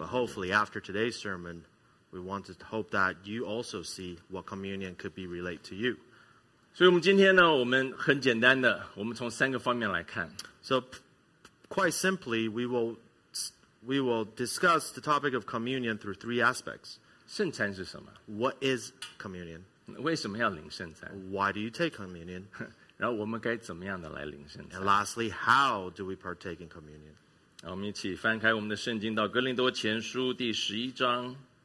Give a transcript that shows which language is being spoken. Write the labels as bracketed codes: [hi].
[en] But hopefully after today's sermon, we want to hope that you also see what communion could be related to you. [zh] 所以我们今天呢，我们很简单的，我们从三个方面来看。 [en] So quite simply, we will discuss the topic of communion through three aspects. [zh] 圣餐是什么? [en] What is communion? [zh] 为什么要领圣餐? [en] Why do you take communion? [zh] 然后我们该怎么样的来领圣餐? [en] And lastly, how do we partake in communion? [zh] 我们一起翻开我们的圣经到哥林多前书第十一章。